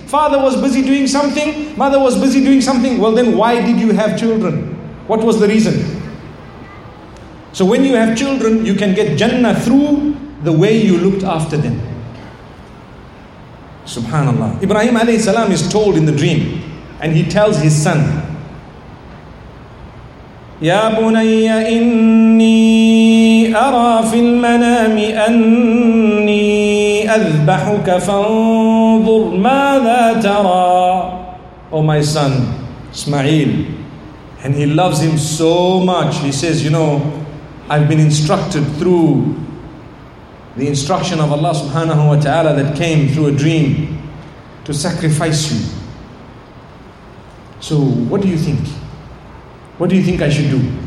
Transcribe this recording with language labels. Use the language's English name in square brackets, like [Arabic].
[English] Father was busy doing something, mother was busy doing something. Well then, why did you have children? What was the reason? So when you have children, you can get Jannah through the way you looked after them. Subhanallah. Ibrahim alayhi salam is told in the dream, and he tells his son, [Arabic] يا بني إني أرى في المنام أني أذبحك فانظر ماذا ترى. [English] Oh my son, Ismail. And he loves him so much. He says, you know, I've been instructed through the instruction of Allah subhanahu wa ta'ala that came through a dream to sacrifice you. So what do you think? What do you think I should do?